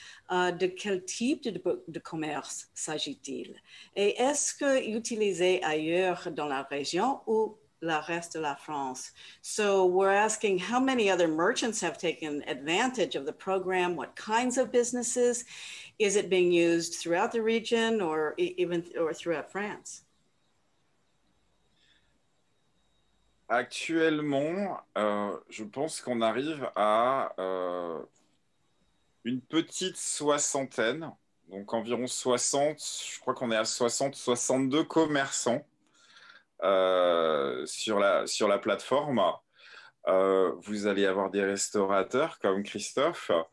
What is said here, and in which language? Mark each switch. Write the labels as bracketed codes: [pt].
[fr] De quel type de commerce s'agit-il? Et est-ce qu'il est utilisé ailleurs dans la région ou le reste de la France? [en] So we're asking how many other merchants have taken advantage of the program, what kinds of businesses, is it being used throughout the region or even or throughout France? [fr] Actuellement, je pense qu'on arrive à une petite soixantaine, donc environ 60, je crois qu'on est à 60, 62 commerçants. Sur la plateforme, vous allez avoir des restaurateurs comme Christophe.